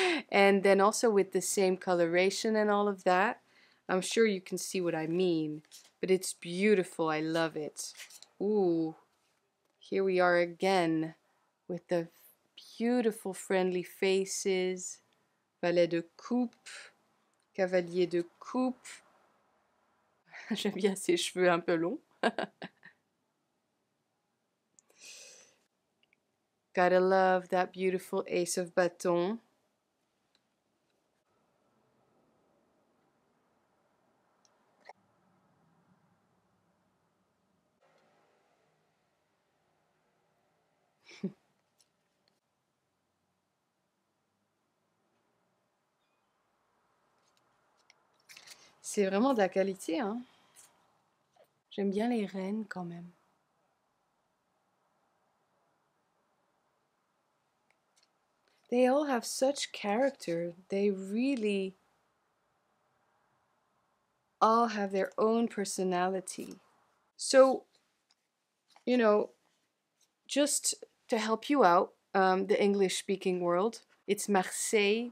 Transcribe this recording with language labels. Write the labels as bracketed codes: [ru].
[en] And then also with the same coloration and all of that, I'm sure you can see what I mean, but it's beautiful. I love it. Ooh, here we are again with the beautiful friendly faces. [fr] Valet de coupe, cavalier de coupe. J'aime bien ses cheveux un peu longs. [en] Gotta love that beautiful ace of baton. [fr] C'est vraiment de la qualité, hein. J'aime bien les reines quand même. [en] They all have such character. They really all have their own personality. So, you know, just to help you out, the English speaking world, it's Marseille.